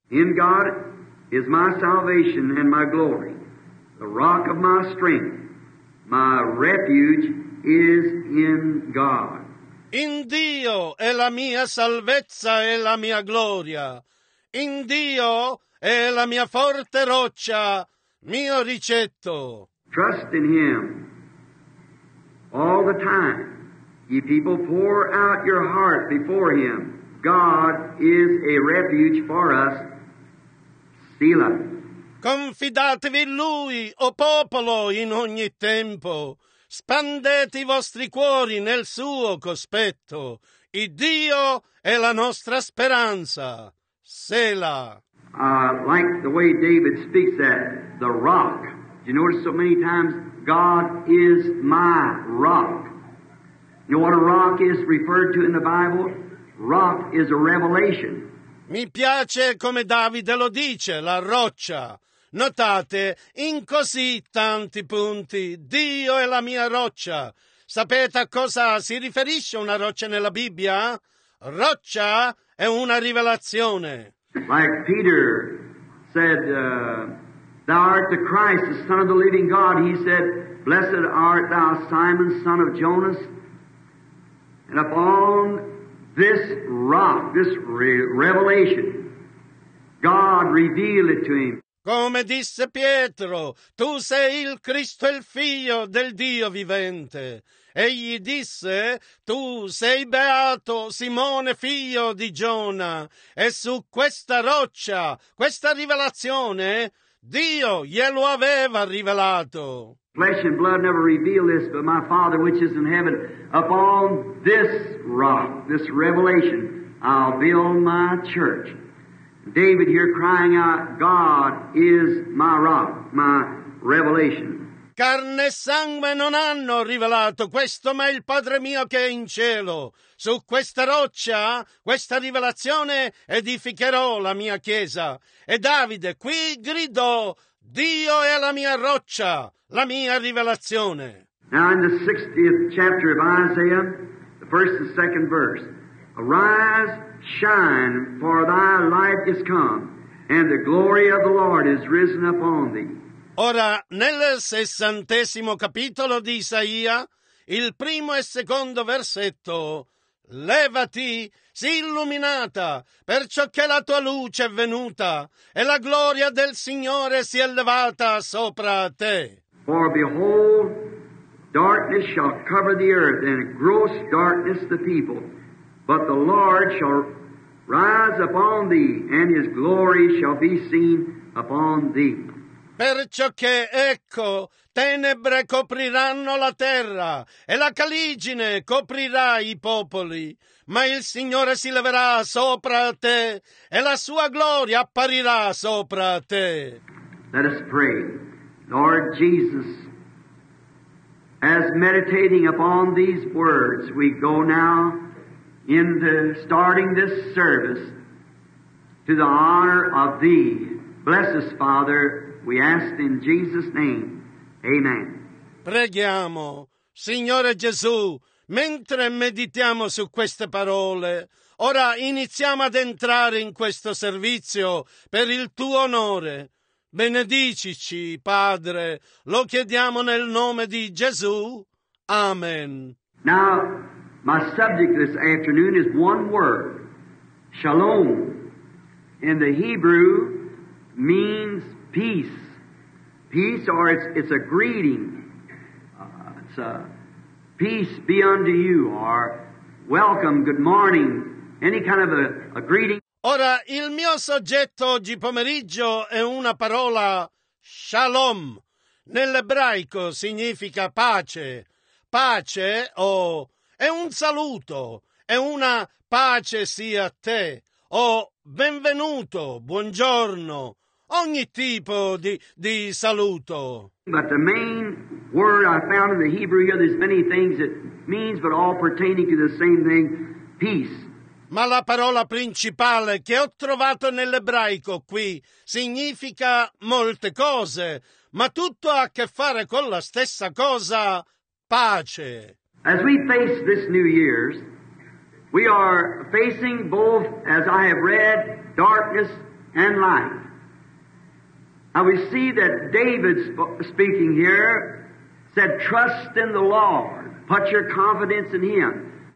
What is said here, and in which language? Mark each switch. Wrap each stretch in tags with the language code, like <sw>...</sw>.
<en>In God is my salvation and my glory. The rock of my strength, my refuge is in God.</en> <it>In Dio è la mia salvezza e la mia gloria. In Dio è la mia forte roccia, mio ricetto.</it> <en>Trust in Him all the time. Ye people, pour out your heart before Him. God is a refuge for us. Selah.</en> <it>Confidatevi in Lui, o popolo, in ogni tempo. Spandete i vostri cuori nel suo cospetto. Il Dio è la nostra speranza. Sela.</it> <en>I like the way David speaks that, the rock. You notice so many times, God is my rock. You know what a rock is referred to in the Bible? Rock is a revelation.</en> <it>Mi piace come Davide lo dice, la roccia. Notate, in così tanti punti, Dio è la mia roccia. Sapete a cosa si riferisce una roccia nella Bibbia? Roccia è una rivelazione.</it> <en>Like Peter said, thou art the Christ, the Son of the living God. He said, blessed art thou, Simon, son of Jonas. And upon this rock, this revelation, God revealed it to him.</en> <it>Come disse Pietro, tu sei il Cristo, il figlio del Dio vivente. Egli disse, tu sei beato, Simone, figlio di Giona. E su questa roccia, questa rivelazione, Dio glielo aveva rivelato.</it> <en>Flesh and blood never reveal this, but my Father which is in heaven, upon this rock, this revelation, I'll build my church. David here crying out, God is my rock, my revelation.</en> <it>Carne e sangue non hanno rivelato questo, ma il Padre mio che è in cielo. Su questa roccia, questa rivelazione, edificherò la mia chiesa. E Davide qui gridò, Dio è la mia roccia, la mia rivelazione.</it> <en>Now in the 60th chapter of Isaiah, the first and second verse, arise, shine, for thy light is come, and the glory of the Lord is risen upon thee.</en> <it>Ora, nel 60° capitolo di Isaia, il primo e secondo versetto, Levati, sii illuminata, perciò che la tua luce è venuta, e la gloria del Signore si è elevata sopra te.</it> <en>For behold, darkness shall cover the earth, and gross darkness the people. But the Lord shall rise upon thee, and his glory shall be seen upon thee.</en> <it>Perciò che, ecco, tenebre copriranno la terra, e la caligine coprirà i popoli. Ma il Signore si leverà sopra te, e la sua gloria apparirà sopra te.</it> <en>Let us pray. Lord Jesus, as meditating upon these words, we go now into starting this service to the honor of Thee. Bless us, Father. We ask in Jesus' name. Amen.</en> <it>Preghiamo, Signore Gesù, mentre meditiamo su queste parole, ora iniziamo ad entrare in questo servizio per il Tuo onore. Benedicici, Padre, lo chiediamo nel nome di Gesù. Amen.</it> <en>Now, my subject this afternoon is one word, shalom. In the Hebrew, means peace. Peace, or it's a greeting. It's a peace be unto you, or welcome, good morning, any kind of a greeting.</en> <it>Ora, il mio soggetto oggi pomeriggio è una parola, shalom. Nell'ebraico significa pace. Pace, o è un saluto, è una pace sia a te, o benvenuto, buongiorno, ogni tipo di saluto.</it> <en>But the main word I found in the Hebrew, there's many things it means, but all pertaining to the same thing, peace.</en> <it>Ma la parola principale che ho trovato nell'ebraico qui significa molte cose, ma tutto ha a che fare con la stessa cosa, pace.</it> <en>As we face this New Year's, we are facing both, as I have read, darkness and light. Now we see that David, speaking here, said, trust in the Lord, put your confidence in Him.</en>